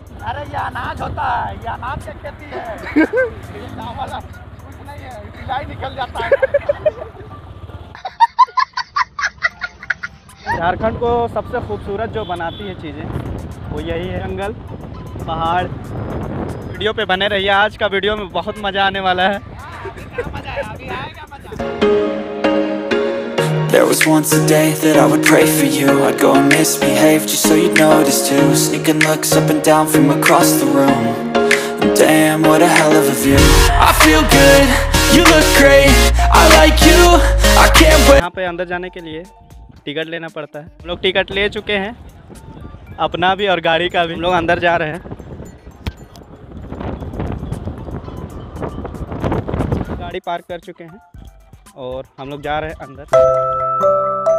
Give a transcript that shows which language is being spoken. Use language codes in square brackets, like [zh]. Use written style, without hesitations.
[hi] अरे ये अनाज होता है, ये अनाज की खेती है, ये चावल कुछ नहीं है, सिलाई निकल जाता है। झारखंड को सबसे खूबसूरत जो बनाती है चीज़ें वो यही है, जंगल पहाड़। वीडियो पे बने रहिए, आज का वीडियो में बहुत मजा आने वाला है। [en] There was once a day that I would pray for you. I'd go and misbehave just so you'd notice too. Sneaking looks up and down from across the room. Damn, what a hell of a view. I feel good, you look great. I like you, I can't wait. [hi] यहाँ पे अंदर जाने के लिए ticket लेना पड़ता है। हम लोग टिकट ले चुके हैं, अपना भी और गाड़ी का भी। हम लोग अंदर जा रहे हैं। गाड़ी पार्क कर चुके हैं और हम लोग जा रहे हैं अंदर।